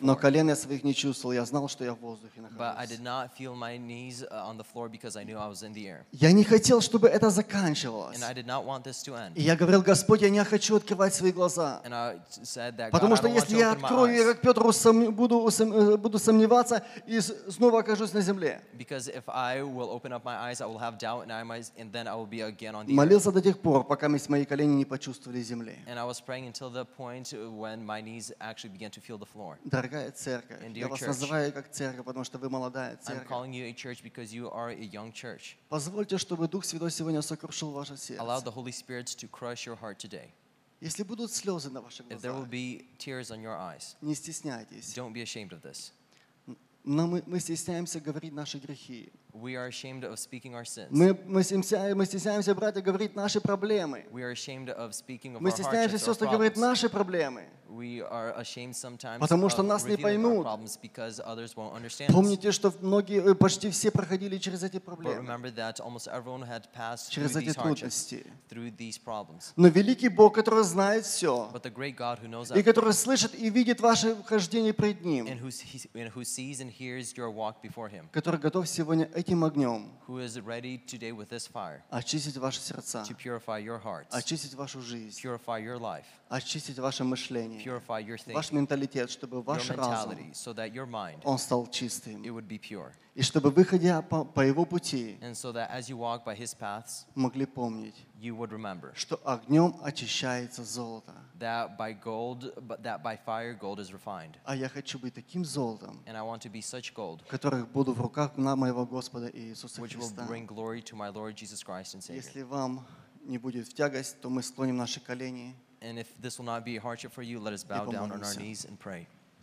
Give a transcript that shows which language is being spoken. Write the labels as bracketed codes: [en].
[ru] но колен я своих не чувствовал, я знал, что я в воздухе находился, [en] but I did not feel my knees on the floor because I knew I was in the air. [ru] Я не хотел, чтобы это заканчивалось, [en] and I did not want this to end. [ru] И я говорил: Господь, я не хочу открывать свои глаза, [en] and I said that, [ru] потому что если я открою, я как Петр буду сомневаться и снова окажусь на земле. [en] Because if I will open up my eyes, I will have doubt, and I might, and then I will be again on the. [ru] Молился до тех пор, пока мои колени не почувствовали земли. [en] And I was praying until the point when my knees actually began to feel the floor. [ru] Дорогая церковь, я вас называю как церковь, потому что вы молодая церковь. [en] I'm calling you a church because you are a young church. [ru] Позвольте, чтобы Дух Святой сегодня сокрушил ваше сердце. [en] Allow the Holy Spirit to crush your heart today. [ru] Если будут слезы на ваших глазах, [en] if there will be tears on your eyes, [ru] не стесняйтесь. [en] Don't be ashamed of this. [ru] Но мы стесняемся говорить наши грехи. [en] We are ashamed of speaking our sins. [ru] Мы стесняемся, братья, говорить наши проблемы. [en] We are ashamed of speaking of our hardships. [ru] Мы стесняемся, сестры, говорить наши проблемы. [en] We are ashamed sometimes. [ru] Потому что нас не поймут. [en] Because others won't understand. [ru] Помните, что многие, почти все проходили через эти проблемы. [en] But remember that almost everyone had passed [ru] через [en] through [ru] эти трудности. [en] Through these problems. [ru] Но великий Бог, который знает все, [en] but the great God who knows [ru] и который слышит и видит ваше хождение пред Ним, [en] and who sees and hears your walk before Him, [ru] который готов сегодня этим огнем, [en] who is ready today with this fire, [ru] очистить ваши сердца, [en] to purify your hearts, [ru] очистить вашу жизнь, [en] purify your life, [ru] очистить ваше мышление, [en] purify your thinking, [ru] ваш менталитет, чтобы ваш разум, [en] so that your mind, [ru] он стал чистым, [en] it would be pure, [ru] и чтобы выходя по его пути, [en] and so that as you walk by his paths, [ru] могли помнить, [en] you would remember, [ru] что огнем очищается золото, [en] that by gold, that by fire gold is refined, [ru] а я хочу быть таким золотом, [en] and I want to be such gold, [ru] которых буду в руках на моего Господа Иисуса [en] which [ru] Христа, [en] which will bring glory to my Lord Jesus Christ and Savior. [ru] Если вам не будет в тягость, то мы склоним наши колени. [en] And if this will not be a hardship for you, let us bow down on our knees and pray.